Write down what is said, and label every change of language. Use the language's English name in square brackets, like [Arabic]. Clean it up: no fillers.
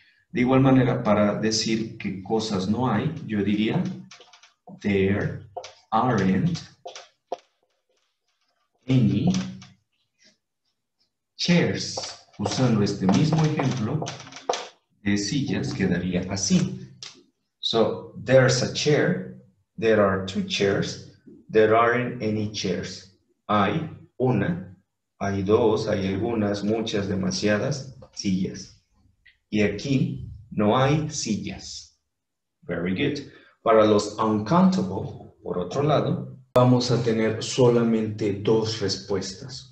[Spanish] De igual manera, para decir que cosas no hay, yo diría, [English] there aren't any chairs. [Spanish] Usando este mismo ejemplo de sillas, quedaría así. [English] So, there's a chair, there are two chairs, there aren't any chairs. [Spanish] Hay una, hay dos, hay algunas, muchas, demasiadas sillas. Y aquí no hay sillas. [English] Very good. [Spanish] Para los uncountable, por otro lado, vamos a tener solamente dos respuestas.